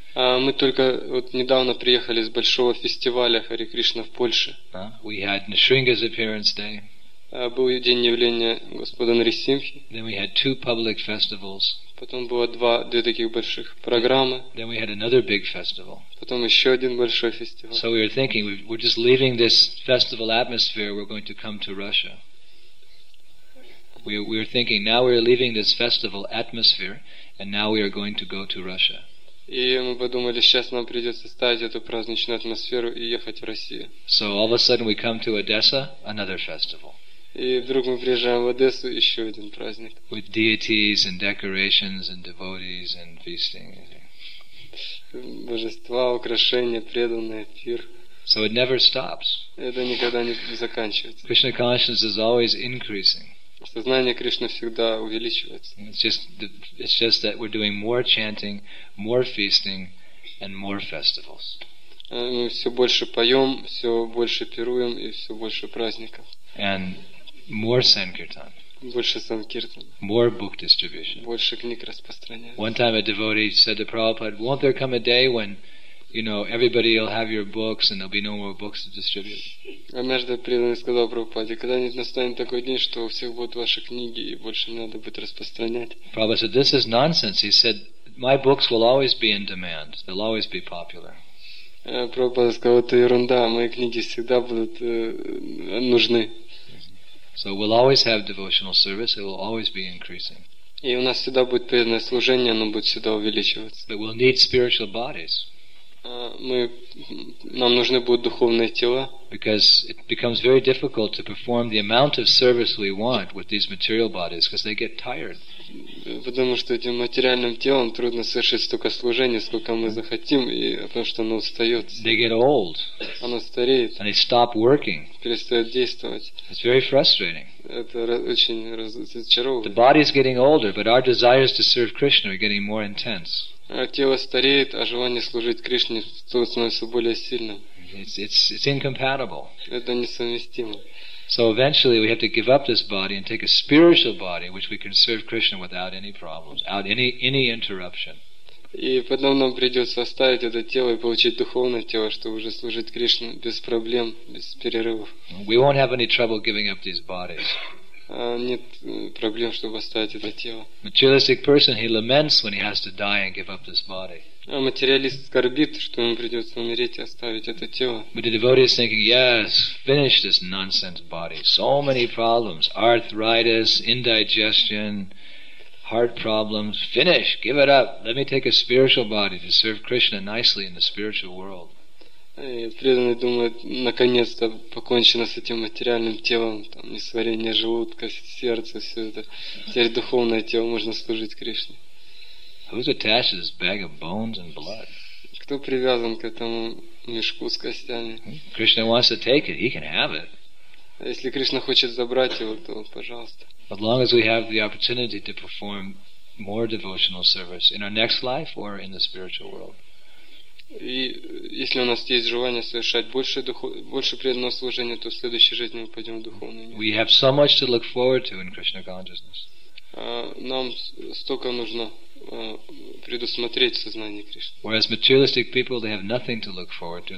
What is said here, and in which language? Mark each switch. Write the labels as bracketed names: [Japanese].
[Russian] Мы только вот недавно приехали с большого фестиваля Hare Krishna в Польше. [English] We had Nisringa's appearance day. [Russian] Был день явления Господа Нарисимхи. [English] Then we had two public festivals. [Russian] Потом было две таких больших программы. [English] Then we had another big festival. [Russian] Потом еще один большой фестиваль. [English] So we were thinking, we're just leaving this festival atmosphere, we're going to come to Russia. We were thinking, now we're leaving this festival atmosphere, and now we are going to go to Russia. [Russian] И мы подумали, сейчас нам придется ставить эту праздничную атмосферу и ехать в Россию. [English] So all of a sudden we come to Odessa, another festival. [Russian] И вдруг мы приезжаем в Одессу, еще один праздник. [English] With deities and decorations and devotees and feasting. [Russian] Божества, украшения, преданные, пир. [English] So it never stops. [Russian] Это никогда не заканчивается. [English] Krishna consciousness is always increasing. [Russian] Сознание Кришны всегда увеличивается. [English] It's just that we're doing more chanting, more feasting, and more festivals. [Russian] мы все больше поем, все больше пируем и все больше праздников. [English] And more sankirtan. [Russian] Больше санкиртан. [English] More book distribution. [Russian] Больше книг распространяется. [English] One time a devotee said to Prabhupada, "Won't there come a day when, you know, everybody will have your books and there'll be no more books to distribute?" [Russian] Однажды преданный сказал Прабхупаде, "Когда не настанет такой день, что у всех будут ваши книги и больше не надо будет распространять?" [English] Prabhupada said, "This is nonsense." He said, "My books will always be in demand. They'll always be popular." [Russian] Прабхупада сказал, "Это ерунда. Мои книги всегда будут нужны." [English] So we'll always have devotional service. It will always be increasing. [Russian] И у нас всегда будет преданное служение, оно будет всегда увеличиваться. [English] But we'll need spiritual bodies. [Russian] Нам нужны будут духовные тела. [English] Because it becomes very difficult to perform the amount of service we want with these material bodies, because they get tired. [Russian] Потому что этим материальным телом трудно совершить столько служения, сколько мы захотим, и потому что оно устает. [English] They get old. [Russian] Оно стареет. [English] And they stop working. [Russian] Перестает действовать. [English] It's very frustrating. [Russian] Это очень разочаровывает. [English] The body is getting older, but our desires to serve Krishna are getting more intense. [Russian] Тело стареет, а желание служить Кришне становится более сильным. [English] It's incompatible. [Russian] Это несовместимо. [English] So eventually we have to give up this body and take a spiritual body which we can serve Krishna without any problems, without any interruption. [Russian] И потом нам придется оставить это тело и получить духовное тело, чтобы уже служить Кришне без проблем, без перерывов. [English] We won't have any trouble giving up these bodies. [Russian] Нет проблем, чтобы оставить это тело. [English] Materialistic person, he laments when he has to die and give up this body. [Russian] А материалист скорбит, что ему придется умереть и оставить это тело. [English] But the devotee is thinking, yes, finish this nonsense body. So many problems, arthritis, indigestion, heart problems. Finish, give it up. Let me take a spiritual body to serve Krishna nicely in the spiritual world. [Russian] И преданный думает, наконец-то покончено с этим материальным телом, там несварение желудка, сердце, все это. Теперь духовное тело можно служить Кришне. [English] Who's attached to this bag of bones and blood? [Russian] Кто привязан к этому мешку с костями? [English] Krishna wants to take it, he can have it. [Russian] Если Кришна хочет забрать его, то пожалуйста. [English] As long as we have the opportunity to perform more devotional service in our next life or in the spiritual world. [Russian] И если у нас есть желание совершать больше преданного служения, то в следующей жизни мы пойдем в духовный мир. [English] We have so much to look forward to in Krishna consciousness. [Russian] Нам столько нужно предусмотреть сознание Кришны. [English] Whereas materialistic people, they have nothing to look forward to.